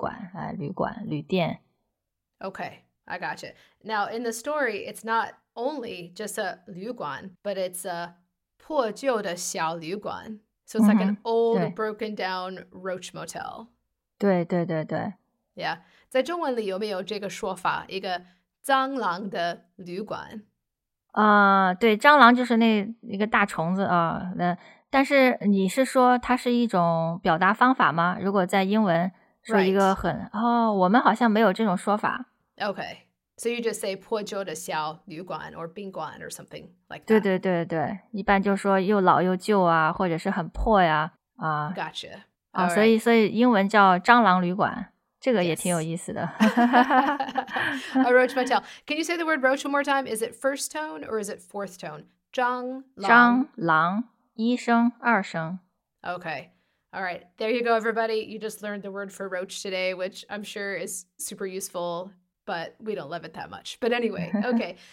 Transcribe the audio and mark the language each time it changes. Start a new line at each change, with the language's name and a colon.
Chinese: 对对，一般来讲，酒店和饭店，比如说你住在一个五星酒店，或者是五星饭店，就讲的是比较大的，比较好的，比较fancy的那种。如果你说我住在一个motel或者是一个一个星的一个，可能就是小旅馆，旅馆旅店。Okay,
English: I gotcha. Now in the story, it's not only just a 旅馆, but it's a
Chinese: 破旧的小旅馆.
English: So it's like an old, broken down roach motel.
Chinese: 对对对对.
English: Yeah.
Chinese: 在中文里有没有这个说法? 一个蟑螂的旅馆? 对，蟑螂就是那个大虫子。但是你是说它是一种表达方法吗? 如果在英文说一个很...
English: Right.
Chinese: 我们好像没有这种说法。
English: Okay. So you just say
Chinese: 破旧的小旅馆
English: or 宾馆 or something like that.
Chinese: 对对对对, 一般就说又老又旧啊, 或者是很破呀,
English: Gotcha.
Chinese: 所以英文叫蟑螂旅馆, 这个也挺有意思的。
English: Yes. A roach motel. Can you say the word roach one more time? Is it first tone or is it fourth tone?
Chinese: 蟑螂. 蟑螂, 一声, 二声.
English: Okay. All right. There you go, everybody. You just learned the word for roach today, which I'm sure is super useful, but we don't love it that much. But anyway, okay.